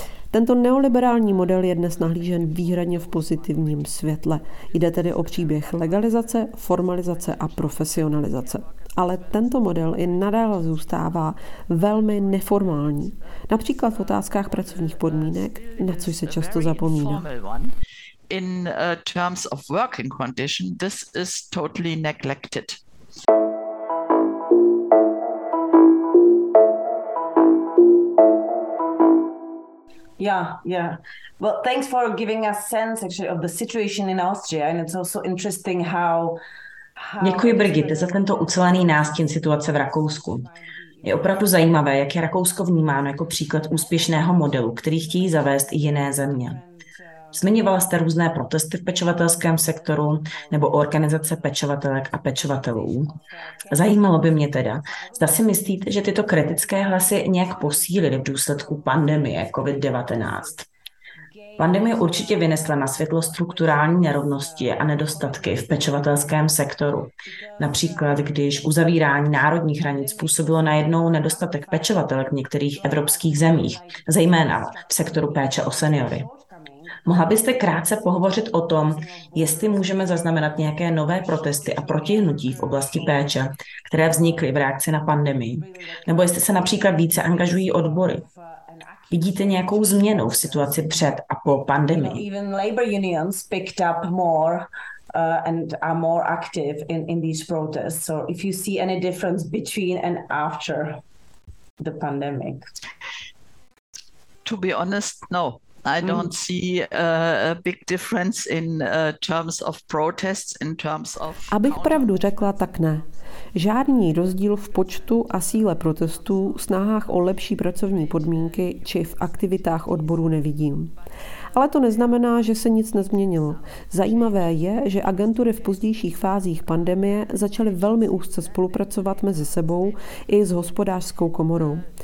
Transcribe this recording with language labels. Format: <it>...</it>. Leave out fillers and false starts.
<cs>Tento neoliberální model je dnes nahlížen výhradně v pozitivním světle. Jde tedy o příběh legalizace, formalizace a profesionalizace. Ale tento model i nadále zůstává velmi neformální. Například v otázkách pracovních podmínek, na což se často zapomíná.</cs> <en>In terms of working condition, this is totally neglected. Yeah. Well, thanks for giving us sense actually of the situation in Austria, and it's also interesting how.</en> <cs>Děkuji, Brigitte, za tento ucelený nástin situace v Rakousku. Je opravdu zajímavé, jak je Rakousko vnímáno jako příklad úspěšného modelu, který chtějí zavést i jiné země. Zmiňovala jste různé protesty v pečovatelském sektoru nebo organizace pečovatelek a pečovatelů. Zajímalo by mě teda, zda si myslíte, že tyto kritické hlasy nějak posílily v důsledku pandemie COVID-19? Pandemie určitě vynesla na světlo strukturální nerovnosti a nedostatky v pečovatelském sektoru. Například, když uzavírání národních hranic způsobilo najednou nedostatek pečovatelek v některých evropských zemích, zejména v sektoru péče o seniory. Mohla byste krátce pohovořit o tom, jestli můžeme zaznamenat nějaké nové protesty a protihnutí v oblasti péče, které vznikly v reakci na pandemii, nebo jestli se například více angažují odbory? Vidíte nějakou změnu v situaci před a po pandemii?</cs> <en>Even labor unions picked up more and are more active in these protests. So if you see any difference between and after the pandemic? To be honest, no. I don't see a big difference in terms of protests, in terms of...</en> <cs>Abych pravdu řekla, tak ne. Žádný rozdíl v počtu a síle protestů, snahách o lepší pracovní podmínky či v aktivitách odborů nevidím. Ale to neznamená, že se nic nezměnilo. Zajímavé je, že agentury v pozdějších fázích pandemie začaly velmi úzce spolupracovat mezi sebou i s hospodářskou komorou.</cs>